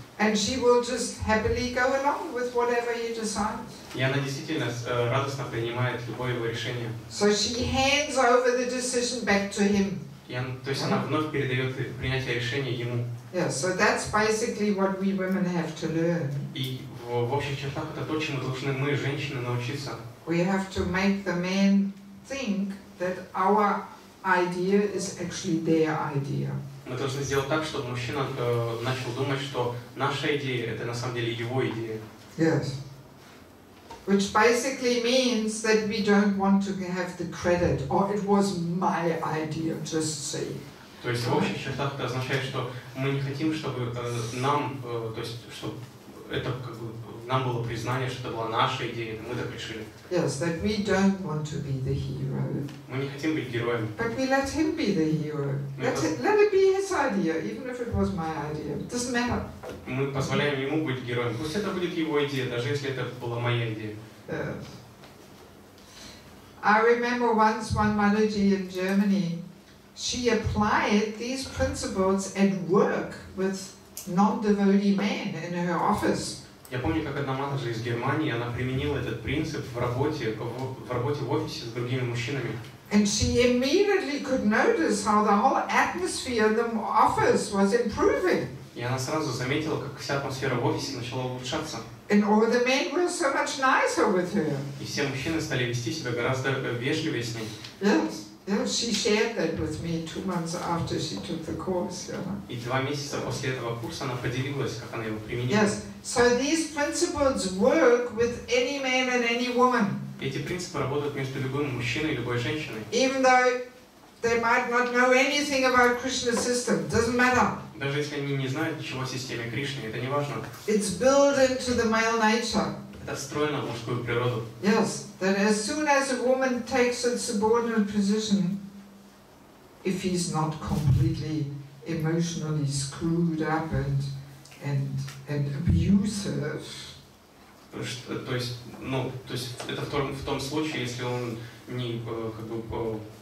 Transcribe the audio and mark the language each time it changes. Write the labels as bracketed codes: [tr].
[en] And she will just happily go along with whatever you decide. [ru] И она действительно радостно принимает любое его решение. [en] So she hands over the decision back to him. [ru] То есть она вновь передает принятие решения ему. [en] Yeah, so that's basically what we women have to learn. [ru] И в общих чертах это то, чему должны мы, женщины, научиться. [en] We have to make the men think that our idea is actually their idea. [ru] Мы должны сделать так, чтобы мужчина начал думать, что наша идея это на самом деле его идея. [en] Yes. Which basically means that we don't want to have the credit, or it was my idea, just say. [ru] То есть в общих чертах это означает, что мы не хотим, чтобы нам, то есть, чтобы это как бы нам было признание, что это была наша идея, мы так решили. [en] Yes, that we don't want to be the hero. [ru] Мы не хотим быть героем. [en] But we let him be the hero. Let it be his idea, even if it was my idea. It doesn't matter. [ru] Мы позволяем ему быть героем. Пусть это будет его идея, даже если это была моя идея. [en] Yes. I remember once one Manuji in Germany, she applied these principles at work with non-devotee men in her office. [ru] Я помню, как одна менеджер из Германии, она применила этот принцип в работе в офисе с другими мужчинами. [en] And she immediately could notice how the whole atmosphere in the office was improving. [ru] И она сразу заметила, как вся атмосфера в офисе начала улучшаться. [en] And all the men were so much nicer with her. [ru] И все мужчины стали вести себя гораздо вежливее с ней. [en] Yes. Yeah, she shared that with me 2 months after she took the course. Yeah. [ru] И 2 месяца после этого курса она поделилась, как она его применила. [en] Yes. So these principles work with any man and any woman. [ru] Эти принципы работают между любым мужчиной и любой женщиной. [en] Even though they might not know anything about Krishna's system, doesn't matter. [ru] Даже если они не знают ничего о системе Кришны, это не важно. [en] It's built into the male nature. [ru] Это встроено в мужскую природу. [en] Yes, that as soon as a woman takes a subordinate position, if he's not completely emotionally screwed up and abusive. [ru] То есть это в том случае, если он не как бы